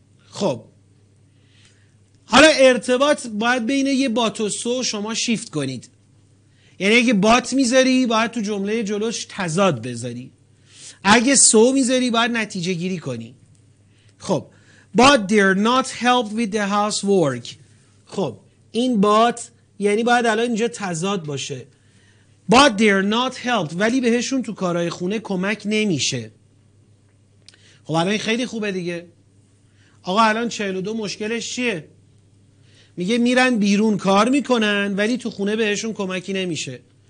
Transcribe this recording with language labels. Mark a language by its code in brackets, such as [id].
[fa] خب حالا ارتباط باید بین یه بات و سو شما شیفت کنید، یعنی اگه بات میذاری باید تو جمله جلوش تضاد بذاری، اگه سو میذاری باید نتیجه گیری کنی. [en] خب but they're not helped with the housework. [fa] خب این but یعنی باید الان اینجا تضاد باشه. [en] but they're not helped، [fa] ولی بهشون تو کارهای خونه کمک نمیشه. خب الان خیلی خوبه دیگه. آقا الان 42 مشکلش چیه؟ میگه میرن بیرون کار میکنن ولی تو خونه بهشون کمکی نمیشه.